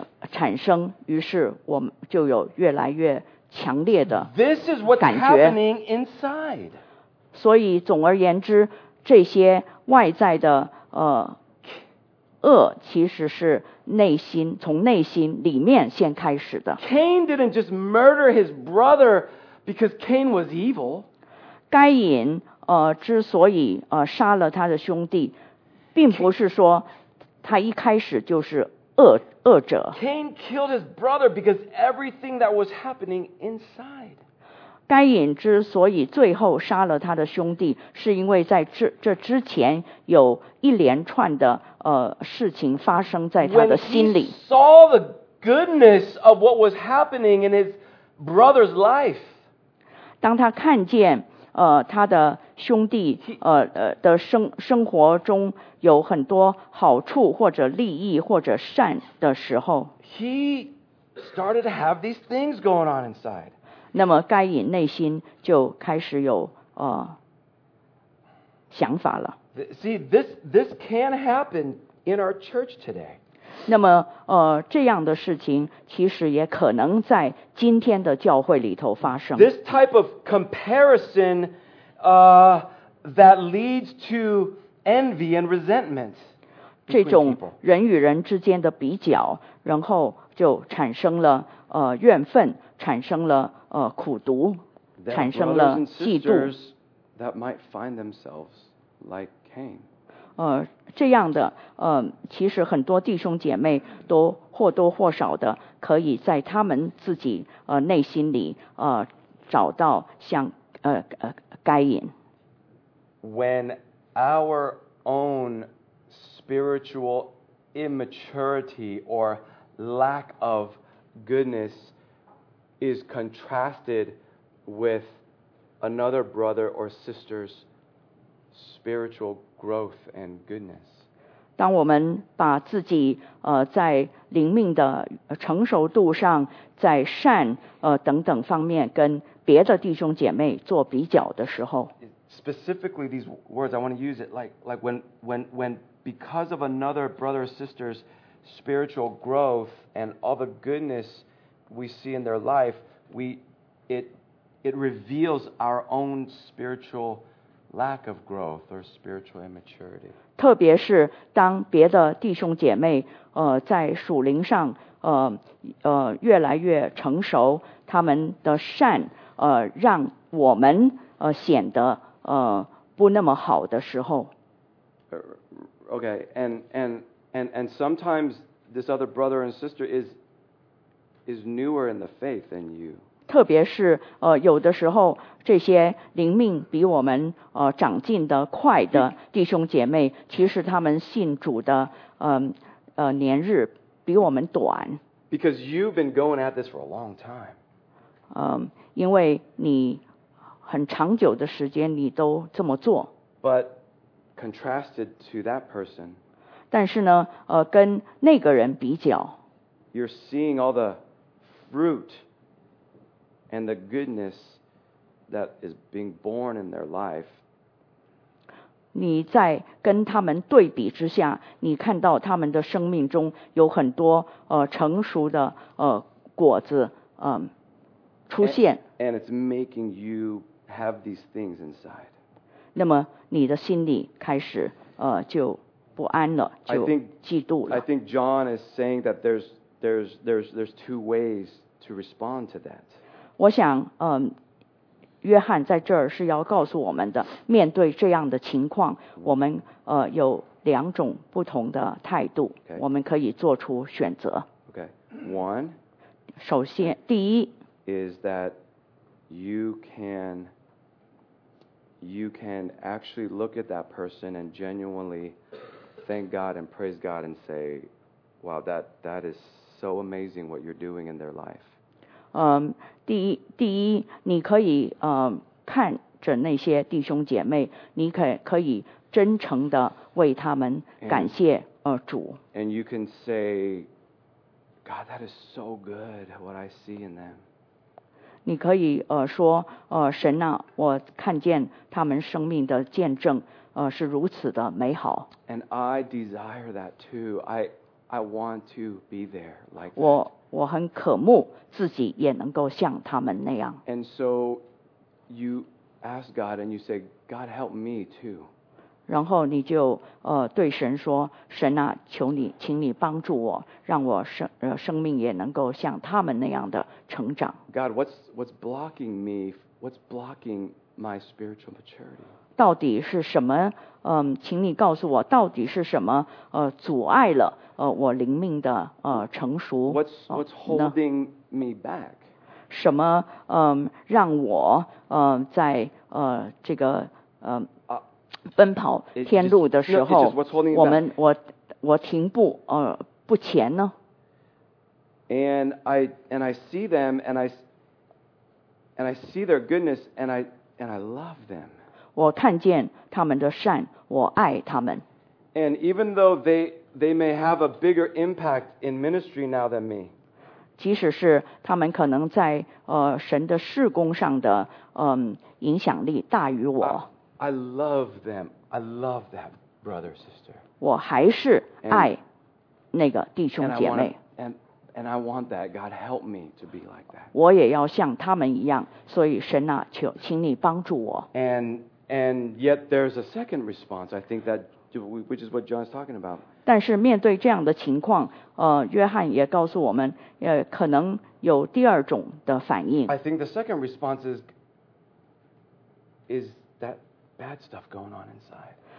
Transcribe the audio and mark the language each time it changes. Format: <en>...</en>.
<zh>产生，于是我们就有越来越强烈的感觉。</zh> <en>This is what's happening inside.</en> <zh>所以总而言之，这些外在的恶，其实是内心从内心里面先开始的。</zh> <en>Cain didn't just murder his brother because Cain was evil.</en> <zh>该隐之所以杀了他的兄弟，并不是说。他一开始就是恶者。</zh> <en>Cain killed his brother because everything that was happening inside.</en> <zh>该隐之所以最后杀了他的兄弟，是因为在这之前有一连串的事情发生在他的心里。</zh> <en>When he saw the goodness of what was happening in his brother's life.</en> <zh>当他看见他的兄弟的生活中有很多好处或者利益或者善的时候，</zh> <en>He started to have these things going on inside.</en> <zh>那么该隐内心就开始有想法了。</zh> <en>See, this can happen in our church today.</en> <zh>那么这样的事情其实也可能在今天的教会里头发生。</zh> <en>This type of comparison that leads to envy and resentment.</en> <zh>这种人与人之间的比较，然后就产生了怨愤，产生了苦毒，产生了嫉妒。</zh> <en>That brothers and sisters that might find themselves like Cain.</en> <zh>这样的其实很多弟兄姐妹都或多或少的可以在他们自己内心里找到像该隐。</zh> <en>When our own spiritual immaturity or lack of goodness is contrasted with another brother or sister's spiritual growth and goodness.</en> <zh>当我们把自己在灵命的成熟度上，在善等等方面跟别的弟兄姐妹做比较的时候。</zh> <en>Specifically, these words I want to use it like when because of another brother or sister's spiritual growth and all the goodness we see in their life, it reveals our own spiritual lack of growth or spiritual immaturity.</en> <zh>特别是当别的弟兄姐妹在属灵上越来越成熟，他们的善让我们显得。不那么好的时候。</zh> <en>Okay, and sometimes this other brother and sister is newer in the faith than you.</en> <zh>特别是有的时候这些灵命比我们长进的快的弟兄姐妹，其实他们信主的年日比我们短。</zh> <en>Because you've been going at this for a long time.</en> <zh>因为你。很长久的时间你都这么做。</zh> <en>But contrasted to that person,</en> <zh>但是呢跟那个人比较。</zh> <en>You're seeing all the fruit and the goodness that is being born in their life.</en> <zh>你在跟他们对比之下，你看到他们的生命中有很多成熟的果子出现。</zh> <en>And it's making you have these things inside.</en> <zh>那么你的心里开始就不安了，就嫉妒了。</zh> <en>I think John is saying that there's two ways to respond to that.</en> <zh>我想约翰在这儿是要告诉我们的，面对这样的情况，我们有两种不同的态度，</zh> <en>okay.</en> <zh>我们可以做出选择。</zh> <en>Okay. One.</en> <zh>首先，第一</zh> <en>is that you can. You can actually look at that person and genuinely thank God and praise God and say, Wow, that is so amazing what you're doing in their life.</en> <zh>第一，你可以看着那些弟兄姐妹，你可以真诚的为他们感谢主。</zh> <en>And you can say, God, that is so good what I see in them.</en> <zh>你可以说神啊，我看见他们生命的见证是如此的美好。</zh> <en>And I desire that too. I want to be there like that.</en> <zh>我很渴慕自己也能够像他们那样。</zh> <en>And so you ask God and you say, God help me too.</en> <zh>然后你就对神说，神啊，求你，请你帮助我，让我生命也能够像他们那样的成长。</zh> <en>God, what's blocking me? What's blocking my spiritual maturity?</en> <zh>到底是什么？请你告诉我，到底是什么阻碍了我灵命的成熟。</zh> <en>What's holding me back?</en> <zh>什么让我在这个奔跑天路的时候，我停步不前呢？</zh> <en>And I see them and I see their goodness and I love them.</en> <zh>我看见他们的善，我爱他们。</zh> <en>And even though they may have a bigger impact in ministry now than me.</en> <zh>即使是他们可能在神的事工上的影响力大于我。</zh> <en>I love them. I love that brother, sister.</en> <zh>我还是爱那个弟兄姐妹。</zh> <en>And I want that. God, help me to be like that.</en> <zh>我也要像他们一样，所以神啊，请你帮助我。</zh> <en>And yet there's a second response. I think that which is what John's talking about.</en> <zh>但是面对这样的情况，约翰也告诉我们，可能有第二种的反应。</zh> <en>I think the second response is that. Bad stuff going on inside.</en>